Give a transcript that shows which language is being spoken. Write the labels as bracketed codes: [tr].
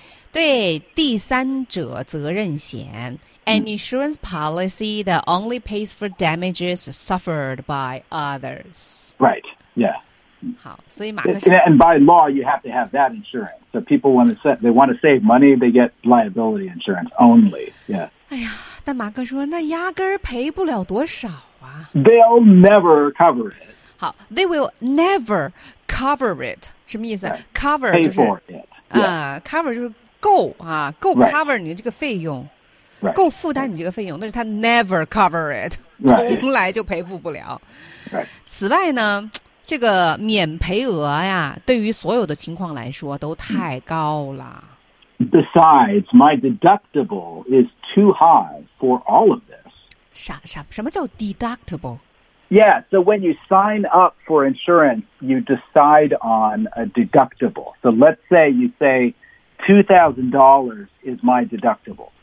[zh] 对第三者责任险 [en] ，an insurance policy that only pays for damages suffered by others. Right. Yeah. [zh] 好，所以马克说 [en] ，and by law you have to have that insurance. So people want to save money, they get liability insurance only. Yeah. [zh] 哎呀，但马克说那压根儿赔不了多少啊。 [en] They'll never cover it. 好 ，they will never cover it. [zh] 什么意思、 [en] right.？Cover [zh] 就是 [en] pay for it. Yeah. [zh] Cover 就是。够啊，够 cover 你的这个费用， [en] right. [zh] 够负担你这个费用， [en] right. [zh] 但是他 [en] never cover it， [zh] 从来就赔付不了。 [en] Right. [zh] 此外呢，这个免赔额呀，对于所有的情况来说都太高了。 [en] Besides, my deductible is too high for all of this. [zh] 什么叫 deductible? [en] Yeah, so when you sign up for insurance, you decide on a deductible. So let's say you say $2,000 is my deductible.